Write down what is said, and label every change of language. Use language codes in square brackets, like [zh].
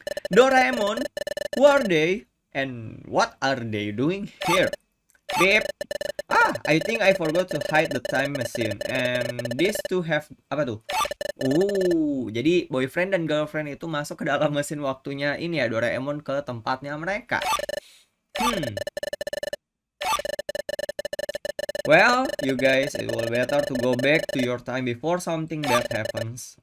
[en] Doraemon, who are they and what are they doing here? Beep. Ah, I think I forgot to hide the time machine. And these two have [id] apa tuh? Jadi boyfriend dan girlfriend itu masuk ke dalam mesin waktunya ini ya, Doraemon ke tempatnya mereka. [en] Well, you guys, it will better to go back to your time before something bad happens.